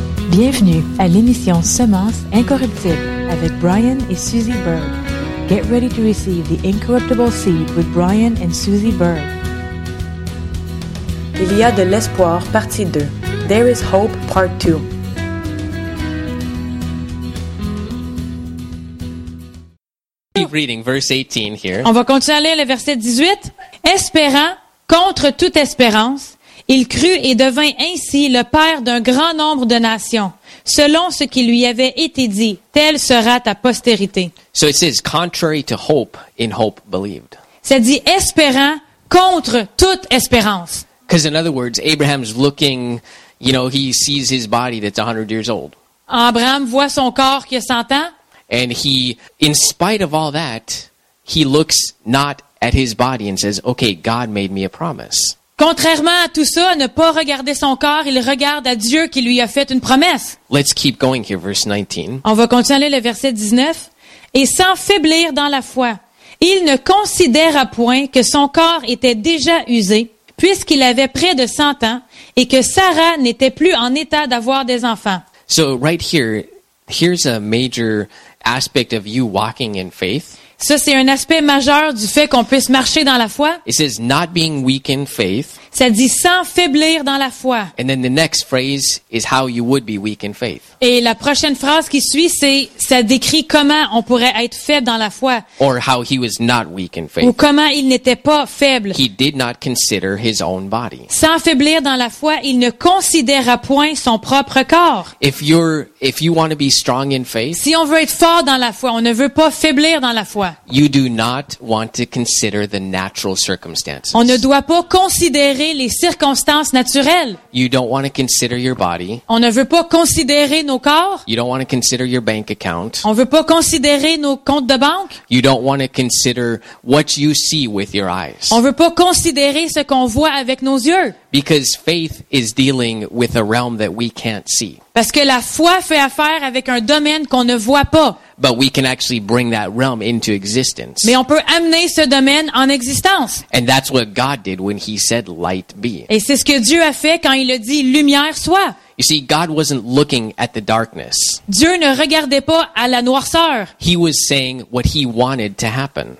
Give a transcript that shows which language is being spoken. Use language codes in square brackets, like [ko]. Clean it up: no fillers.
[fr] Bienvenue à l'émission Semence incorruptible avec Brian et Suzy Berg. [en] Get ready to receive the incorruptible seed with Brian and Suzy Berg. [fr] Il y a de l'espoir, partie 2. [en] There is hope, part 2. Keep reading verse 18 here. [fr] On va continuer à lire le verset 18. Espérant contre toute espérance, il crut et devint ainsi le père d'un grand nombre de nations, selon ce qui lui avait été dit, telle sera ta postérité. [en] So it says, contrary to hope, in hope believed. [fr] Ça dit espérant contre toute espérance. [en] Because in other words, Abraham's looking, you know, he sees his body that's 100 years old. [fr] Abraham voit son corps qui a 100 ans. [en] And he, in spite of all that, he looks not at his body and says, okay, God made me a promise. [fr] Contrairement à tout ça, à ne pas regarder son corps, il regarde à Dieu qui lui a fait une promesse. [en] Let's keep going here, verse 19. [fr] On va continuer le verset 19. Et sans faiblir dans la foi, il ne considéra point que son corps était déjà usé, puisqu'il avait près de 100 ans, et que Sarah n'était plus en état d'avoir des enfants. [en] So right here, here's a major aspect of you walking in faith. [fr] Ça, c'est un aspect majeur du fait qu'on puisse marcher dans la foi. [en] It says, not being weak in faith. [fr] Ça dit sans faiblir dans la foi. [en] And then the next phrase is how you would be weak in faith. [fr] Et la prochaine phrase qui suit, c'est ça décrit comment on pourrait être faible dans la foi. [en] Or how he was not weak in faith. [fr] Ou comment il n'était pas faible. [en] He did not consider his own body. [fr] Sans faiblir dans la foi, il ne considéra point son propre corps. [en] If you want to be strong in faith, [fr] si on veut être fort dans la foi, on ne veut pas faiblir dans la foi. [en] You do not want to consider the natural circumstances. [fr] On ne doit pas considérer les circonstances naturelles. [en] You don't want to consider your body. [fr] On ne veut pas considérer nos corps. [en] You don't want to consider your bank account. [fr] On veut pas considérer nos comptes de banque. [en] You don't want to consider what you see with your eyes. [fr] On veut pas considérer ce qu'on voit avec nos yeux. [en] Because faith is dealing with a realm that we can't see. [fr] Parce que la foi fait affaire avec un domaine qu'on ne voit pas. [en] But we can actually bring that realm into existence. [fr] Mais on peut amener ce domaine en existence. [en] And that's what God did when he said, light be. [fr] Et c'est ce que Dieu a fait quand il a dit, lumière soit. [en] You see, God wasn't looking at the darkness. [fr] Dieu ne regardait pas à la noirceur. [en] He was saying what he wanted to happen.